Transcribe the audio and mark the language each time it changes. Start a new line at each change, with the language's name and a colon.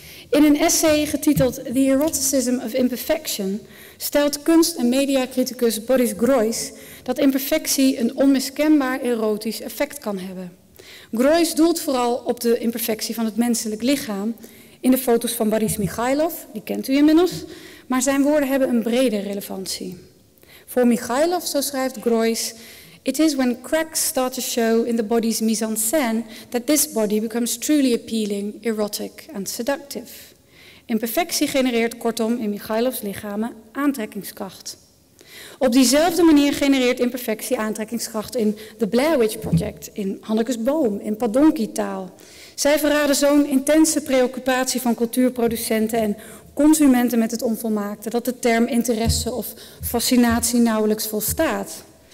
Dutch: In een essay getiteld The Eroticism of Imperfection stelt kunst- en mediacriticus Boris Groys dat imperfectie een onmiskenbaar erotisch effect kan hebben. Groys doelt vooral op de imperfectie van het menselijk lichaam in de foto's van Boris Mikhailov, die kent u inmiddels, maar zijn woorden hebben een brede relevantie. Voor Mikhailov, zo schrijft Groys,
English: it is when cracks start to show in the body's mise-en-scène that this body becomes truly appealing, erotic and seductive.
Dutch: Imperfectie genereert kortom in Mikhailovs lichamen aantrekkingskracht. Op diezelfde manier genereert imperfectie aantrekkingskracht in The Blair Witch Project, in Hannekes Boom, in Padonki-taal. Zij verraden zo'n intense preoccupatie van cultuurproducenten en consumenten met het onvolmaakte dat de term interesse of fascinatie nauwelijks volstaat.